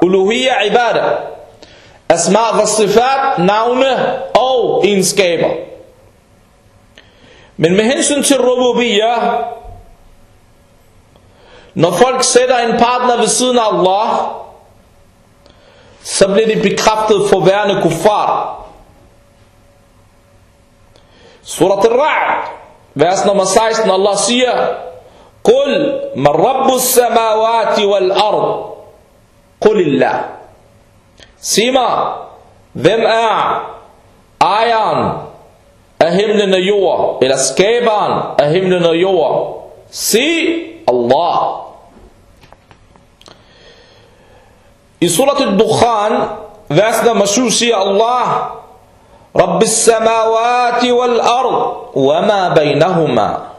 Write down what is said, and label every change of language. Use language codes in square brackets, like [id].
[da] Uluhiyya, ibadah. Asma og sifat, navne og egenskaber. Men med hensyn til rububiyya, når folk sætter en partner ved siden af Allah, så bliver de bekræftet for værende kuffar. Surat al-Ra'd, vers nummer 16, Allah siger, [ar] قُلْ مَنْ رَبُّ السَّمَاوَاتِ وَالْأَرْضِ قُلْ إِلَّهِ. [da] Sig mig, hvem er ejeren af himlen og jord, eller skaberen af himlen og jord? Sig Allah. I surat al-Dukhan, vers nummer 7, siger Allah, [ar] رب السماوات والأرض وما بينهما.